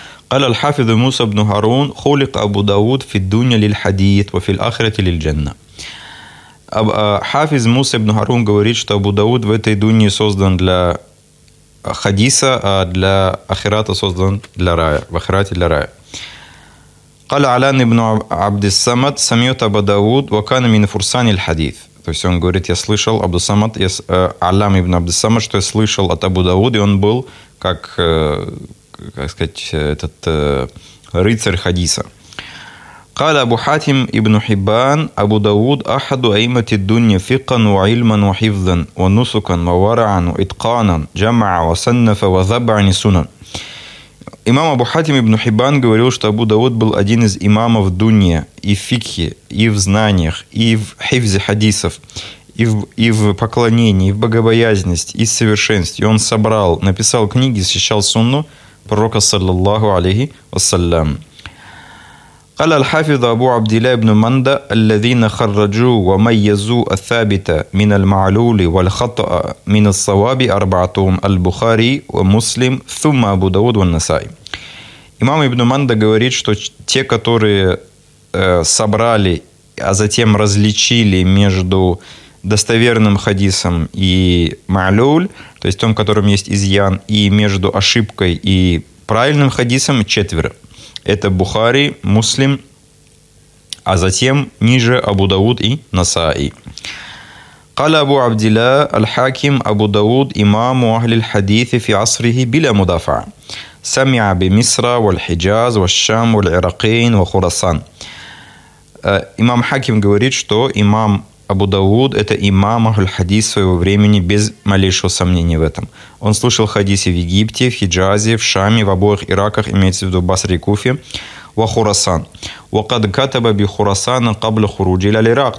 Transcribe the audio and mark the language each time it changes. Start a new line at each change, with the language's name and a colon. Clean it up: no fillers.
Arabic: قال الحافظ موسى بن هارون خلق أبو داود في الدنيا للحديث وفي الآخرة للجنة.
Russian: Хафиз Муса ибн Харун говорит, что Абу Дауд в этой дунии создан для хадиса, а для ахирата создан для рая, в ахирате для рая.
Arabic: قال علان ابن عبد الصمد سمعت أبو داود وكان من فرسان الحديث.
Russian: То есть он говорит, я слышал Абу Самад, Алам ибн Абд Самад, что я слышал от Абу Дауда, и он был как сказать, этот рыцарь хадиса.
Arabic: قال أبو حاتم ابن حبان أبو داود أحد أئمة الدنيا فقها وعلما وحفظا ونسكا وورعا وإتقانا جمع وصنف وذبع السنن.
Russian: Имам Абу Хатим ибн Хиббан говорил, что Абу Дауд был один из имамов дунья и в фикхе, и в знаниях, и в хифзе хадисов, и в поклонении, и в богобоязненности, и в совершенстве. И он собрал, написал книги, сочинял сунну пророка саллаллаху алейхи вассалям.
Arabic: قال الحافظ أبو عبد الله بن مندى الذين خرجوا وميزوا الثابت من المعلول والخطأ من الصواب أربعتهم البخاري ومسلم ثم أبو داود والنسائي.
Russian: Имам ибн Манда говорит, что те, которые собрали, а затем различили между достоверным хадисом и معلول, то есть том, в котором есть изъян, и между ошибкой и правильным хадисом, четверо. Это Бухари, Муслим, а затем ниже Абу Дауд и Насаи.
Arabic: قال أبو عبد الله الحاكم أبو داود إمام أهل الحديث في عصره بلا مدافع سمع بمصر والحجاز والشام والعراقين وخراسان.
Russian: Имам Хаким говорит, что имам Абу Дауд – это имам Ахль-Хадис своего времени, без малейшего сомнения в этом. Он слышал хадисы в Египте, в Хиджазе, в Шаме, в обоих Ираках, имеется в виду Басре и Куфе, в Хорасан.
Arabic: وَقَدْ كَتَبَ بِخُرَسَانَ قَبْلَ خُرُوجِ إِلَى الْإِرَاقِ.